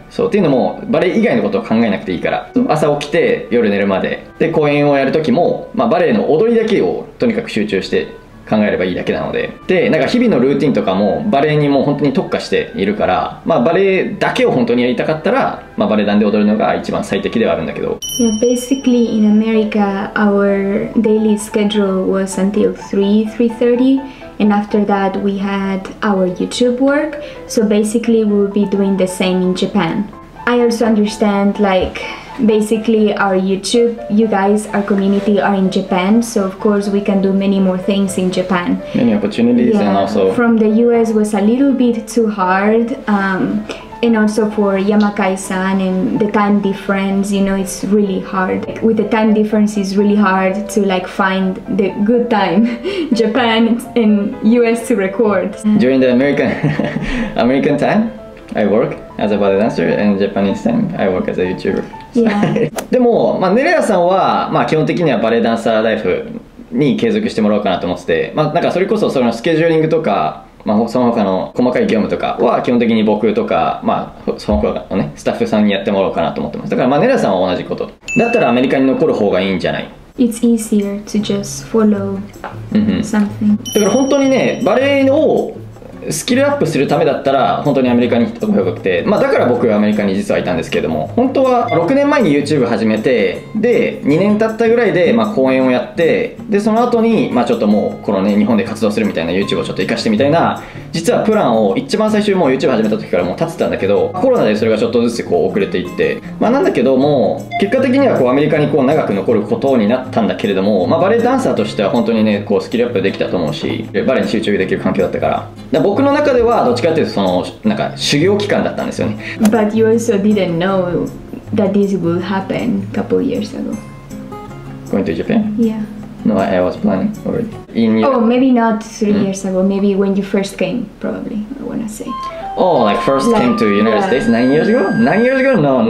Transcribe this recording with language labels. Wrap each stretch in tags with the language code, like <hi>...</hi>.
<ja>そうっていうのもバレエ以外のことを考えなくていいから、朝起きて夜寝るまでで公演をやるときも、まあ、バレエの踊りだけをとにかく集中して考えればいいだけなので、でなんか日々のルーティンとかもバレエにもう本当に特化しているから、まあ、バレエだけを本当にやりたかったら、まあ、バレエ団で踊るのが一番最適ではあるんだけど。</ja> <en>Yeah, basically in America our daily schedule was until 3:30. And after that, we had our YouTube work. So basically, we'll be doing the same in Japan. I also understand, like, basically, our YouTube, you guys, our community are in Japan. So, of course, we can do many more things in Japan. Many opportunities, yeah, and also. From the US was a little bit too hard. And also for Yamakai-san and the time difference, you know, it's really hard. Like, with the time difference, it's really hard to like find the good time, Japan and US to record. During the American time, I work as a ballet dancer, and Japanese time, I work as a YouTuber. Yeah.</en> <ja>でも、まあ、ネレアさんは、まあ、基本的にはバレエダンサーライフに継続してもらおうかなと思ってて、まあ、なんかそれこそそのスケジューリングとか、まあ、その他の細かい業務とかは基本的に僕とか、まあ、その他のねスタッフさんにやってもらおうかなと思ってます。だからまあネリアさんは同じことだったらアメリカに残る方がいいんじゃない。</ja> <en>It's easier to just follow something.</en> <ja>だから本当にねバレエをスキルアップするためだったら本当にアメリカに行った方がよくて、まあ、だから僕はアメリカに実はいたんですけども、本当は6年前に YouTube 始めて、で2年経ったぐらいでまあ講演をやって、でその後にまあちょっともうこのね日本で活動するみたいな YouTube をちょっと活かしてみたいな実はプランを一番最初もう YouTube 始めた時からもう立ってたんだけど、コロナでそれがちょっとずつこう遅れていって、まあなんだけども、結果的にはこうアメリカにこう長く残ることになったんだけれども、まあバレエダンサーとしては本当にね、こうスキルアップできたと思うし、バレエに集中できる環境だったから。僕の中ではどっちかっていうとその、なんか修行期間だったんですよね。</ja> <en>But you also didn't know that this would happen a couple of years ago. Going to Japan? Yeah. No, I was planning already. In your... Oh, maybe not three years ago. Maybe when you first came, probably, I want to say. Oh, like first like, came to the United States 9 years ago? 9 years ago? No, no.</en>